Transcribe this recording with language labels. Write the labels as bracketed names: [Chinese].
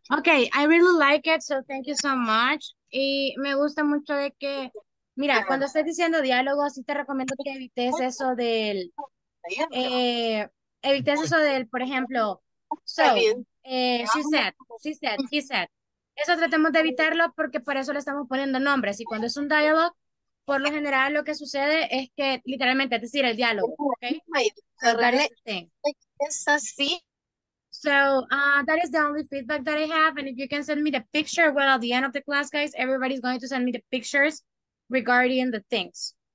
[English] Okay, I really like it, so thank you so much. [Spanish] Y me gusta mucho de que, mira, cuando estés diciendo diálogo, sí te recomiendo que evites eso del, evites eso del, por ejemplo, [English] so, she said, he said. [Spanish] Eso tratemos de evitarlo porque por eso le estamos poniendo nombres. Y cuando es un diálogo, por lo general lo que sucede es que literalmente, es decir, el diálogo, ¿ok? [English] So that is [Spanish] Correle, [English] the thing. [Spanish] es así. [English] So that is the only feedback that I have. And if you can send me the picture, well, at the end of the class, guys, everybody's going to send me the pictures regarding the things.